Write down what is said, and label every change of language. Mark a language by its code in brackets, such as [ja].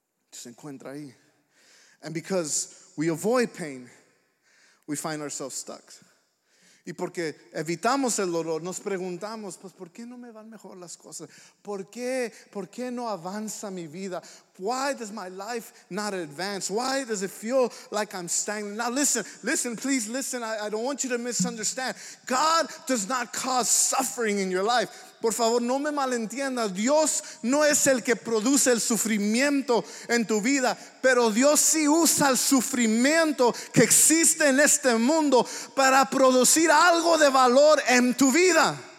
[es] Se encuentra ahí. [en] And because we avoid pain, we find ourselves stuck. [es] Y porque evitamos el dolor, nos preguntamos, pues, ¿por qué no me van mejor las cosas? ¿Por qué no avanza mi vida? [en] Why does my life not advance? Why does it feel like I'm stagnant? Now listen, please listen. I don't want you to misunderstand. God does not cause suffering in your life. [es] Por favor, no me malentienda. Dios no es el que produce el sufrimiento en tu vida, pero Dios sí usa el sufrimiento que existe en este mundo para producir algo de valor en tu vida.